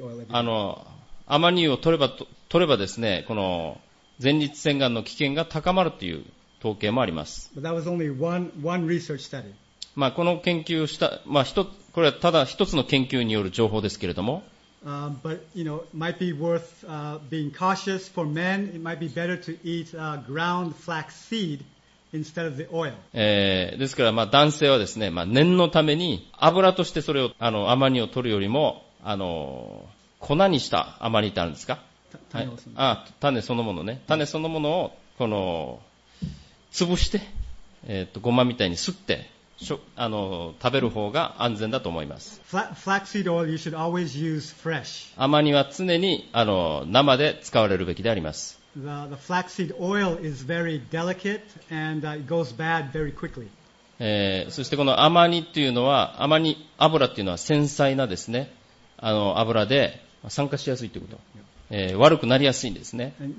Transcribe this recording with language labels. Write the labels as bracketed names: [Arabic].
[Japanese] アマニ油を取ればですね、この前立腺がんの危険が高まるという統計もあります。 [English] But that was only one research study. [Japanese] まあこの研究した、まあ、これはただ一つの研究による情報ですけれども。 [English] But you know, might be worth being cautious for men. It might be better to eat ground flax seed instead of the oil. [Japanese] ですからまあ男性はですね、まあ、念のために油としてそれをアマニ油を取るよりも粉にしたアマニってあるんですか？種そのものね。種そのものをこの潰して、ごまみたいにすって食べる方が安全だと思います。 [English] Flaxseed oil, you should always use fresh. [Japanese] アマニは常に生で使われるべきであります。 [English] The flaxseed oil is very delicate and it goes bad very quickly. [Japanese] そしてこのアマニ油っていうのは繊細なですね、油で酸化しやすいということ、悪くなりやすいんですね。